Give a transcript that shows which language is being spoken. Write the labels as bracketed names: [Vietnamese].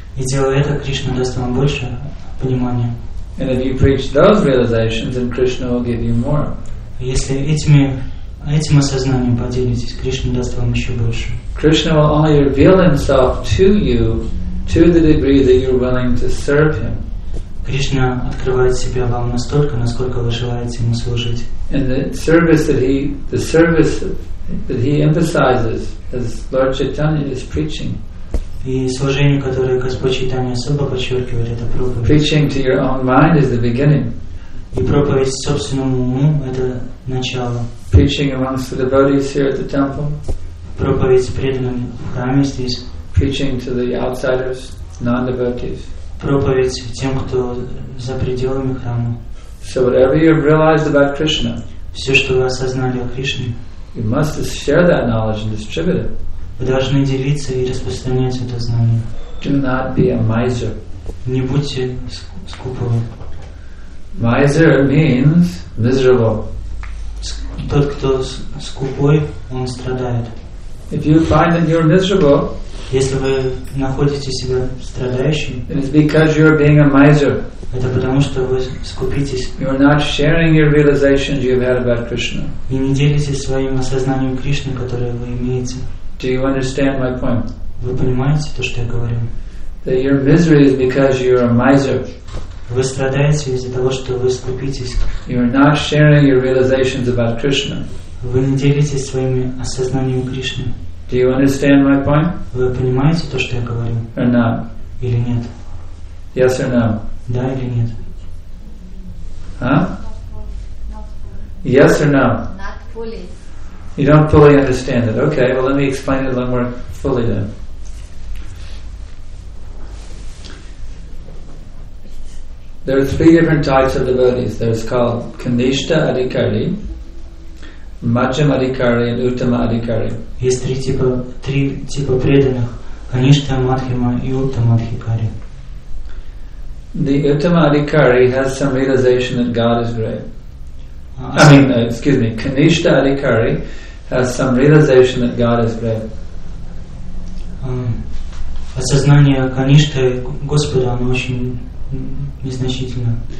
[Russian] И делая это, Кришна даст вам больше понимания. [English] And if you preach those realizations, then Krishna will give you more. [Russian] Если этим осознанием поделитесь, Кришна даст вам еще больше. [English] Krishna will only reveal himself to you to the degree that you're willing to serve him. [Russian] Кришна открывает себя вам настолько, насколько вы желаете ему служить. [English] And the service that he emphasizes as Lord Chaitanya is preaching. [Russian] И служение, которое Господь Чайтанья особо подчеркивает, это проповедь. [English] Preaching to your own mind is the beginning. [Russian] И проповедь собственному уму — это начало. [English] Preaching amongst the devotees here at the temple. [Russian] Проповедь с преданными в храме здесь. [English] Preaching to the outsiders, non-devotees. [Russian] Проповедь тем, кто за пределами храма. [English] So whatever you've realized about Krishna, [Russian] все, что вы осознали о Кришне, [English] you must share that knowledge and distribute it. [Russian] Вы должны делиться и распространять это знание. [English] Do not be a miser. [Russian] Не будьте скупым. [English] Miser means miserable. [Russian] Тот, кто скупой, он страдает. [English] If you find that you're miserable, [Russian] если вы находите себя страдающим, [English] it is because you're being a miser. [Russian] Это потому, что вы скупитесь. [English] You're not sharing your realizations you've had about Krishna. [Russian] И не делитесь своим осознанием Кришны, которое вы имеете. [English] Do you understand my point? [Russian] Вы понимаете то, что я говорю? [English] That your misery is because you're a miser. [Russian] Вы страдаете из-за того, что вы скупитесь. [English] You're not sharing your realizations about Krishna. [Russian] Вы не делитесь своими осознаниями Кришны. [English] Do you understand my point? [Russian] Вы понимаете то, что я говорю? [English] Or not? [Russian] Или нет? [English] Yes or no? [Russian] Да или нет? [English] Huh? Not fully. Yes or no? Not fully. You don't fully understand it. Okay, well let me explain it a little more fully then. There are three different types of devotees. There's called Kanishta Adhikari, Majjhima Adhikari, and Uttama Adhikari. [Russian] Есть три типа преданных: Kanishta, Madhyama и Uttama Adhikari. [English] The Uttama Adhikari has some realization that God is great. Kanishta Adhikari has some realization that God is great. [Russian] Осознание Каништы Господа, оно очень незначительно.